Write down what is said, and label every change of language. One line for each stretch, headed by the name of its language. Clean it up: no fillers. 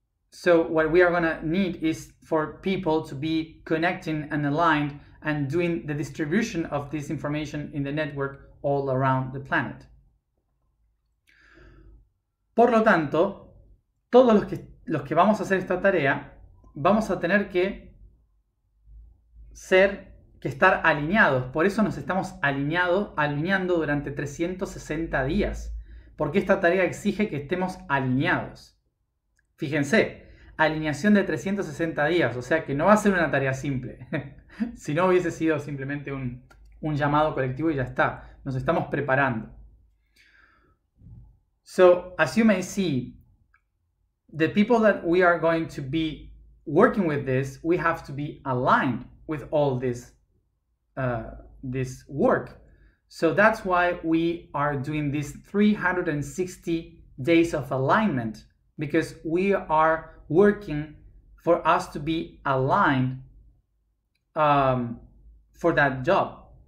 English: So what we are gonna need is for people to be connecting and aligned and doing the distribution of this information in the network all around the planet.
Spanish: Por lo tanto, todos los que vamos a hacer esta tarea, vamos a tener que estar alineados, por eso nos estamos alineando durante 360 días, porque esta tarea exige que estemos alineados. Fíjense, alineación de 360 días, o sea que no va a ser una tarea simple. Si no hubiese sido simplemente un llamado colectivo y ya está, nos estamos preparando.
English: So, as you may see, the people that we are going to be working with this, we have to be aligned with all this, this work. So that's why we are doing this 360 days of alignment, because we are working for us to be aligned for that job.